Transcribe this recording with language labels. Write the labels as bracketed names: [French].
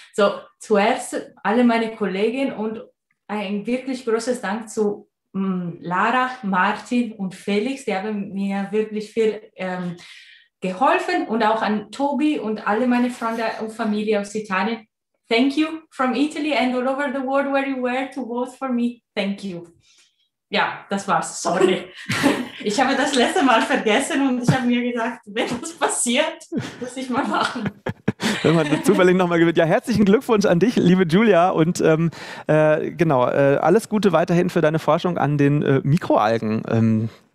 [German] So, zuerst alle meine Kolleginnen und ein wirklich großes Dank zu Lara, Martin und Felix. Die haben mir wirklich viel geholfen und auch an Tobi und alle meine Freunde und Familie aus Italien. [English] Thank you from Italy and all over the world where you were to vote for me. Thank you. [German] Ja, das war's. [English] Sorry. [German] Ich habe das letzte Mal vergessen und ich habe mir gedacht, wenn das passiert, muss ich mal machen. Wenn man zufällig nochmal gewinnt. Ja, herzlichen Glückwunsch an dich, liebe Julia. Und alles Gute weiterhin für deine Forschung an den Mikroalgen.